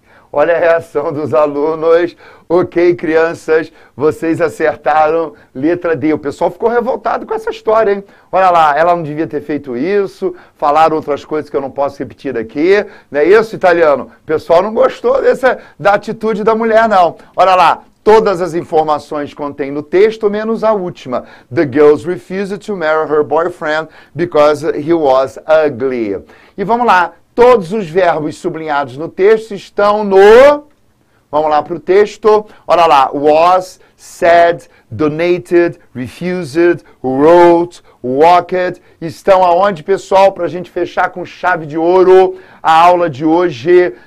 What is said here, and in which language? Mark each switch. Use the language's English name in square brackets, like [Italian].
[Portuguese] Olha a reação dos alunos. Ok, crianças, vocês acertaram letra D. O pessoal ficou revoltado com essa história, hein? Olha lá, ela não devia ter feito isso, falaram outras coisas que eu não posso repetir aqui. Não é isso, italiano? O pessoal não gostou da atitude da mulher, não. Olha lá, todas as informações contém no texto, menos a última. [English] The girls refused to marry her boyfriend because he was ugly. [Portuguese] E vamos lá. Todos os verbos sublinhados no texto estão no... Vamos lá para o texto. Olha lá. Was, said, donated, refused, wrote, walked. Estão aonde, pessoal? Para a gente fechar com chave de ouro a aula de hoje.